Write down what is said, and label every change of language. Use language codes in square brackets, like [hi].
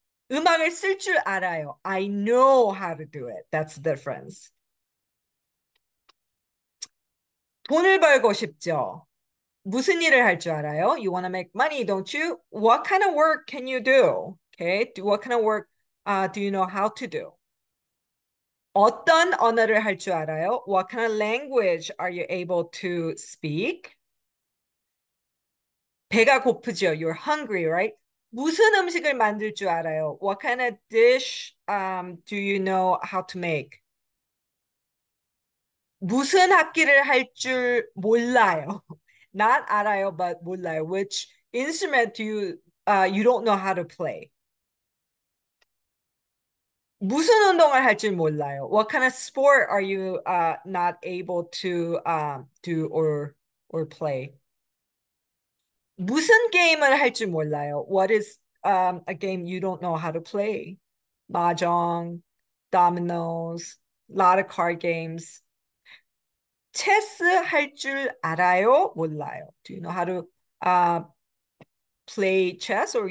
[ko] 음악을 쓸줄 알아요. [en] I know how to do it. That's the difference. [ko] 돈을 벌고 싶죠. 무슨 일을 할줄 알아요? [en] You want to make money, don't you? What kind of work can you do? Okay. What kind of work do you know how to do? [ko] 어떤 언어를 할줄 알아요? [en] What kind of language are you able to speak? [ko] 배가 고프죠. [en] You're hungry, right? [ko] 무슨 음식을 만들 줄 알아요? [en] What kind of dish do you know how to make? [ko] 무슨 악기를 할줄 몰라요. [en] Not 알아요, but 몰라요. Which instrument do you don't know how to play? [ko] 무슨 운동을 할줄 몰라요? [en] What kind of sport are you not able to do or play? [ko] 무슨 게임을 할줄 몰라요? [en] What is a game you don't know how to play? Mahjong, dominoes, lot of card games. [ko] 체스 할줄 알아요? 몰라요. [en] Do you know how to play chess or you don't know how to play chess? I'm gonna ask.